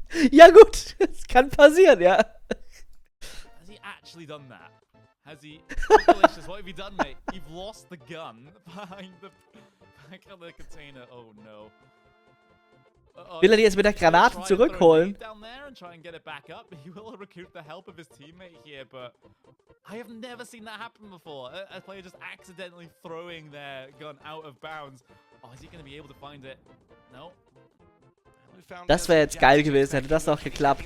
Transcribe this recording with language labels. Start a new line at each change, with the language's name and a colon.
German: Ja gut, es kann passieren, ja.
English: Has he actually done that? Has he? Delicious. What have you done, mate? You've lost the gun behind the back of the container. Oh no.
German: Will er die jetzt mit der Granaten zurückholen?
English: Down there and try and get it back up. He will recruit the help of his teammate here, but I have never seen that happen before. A player just accidentally throwing their gun out of bounds. Oh, is he going to be able to find it? No.
German: Das wäre jetzt geil gewesen, hätte das noch geklappt.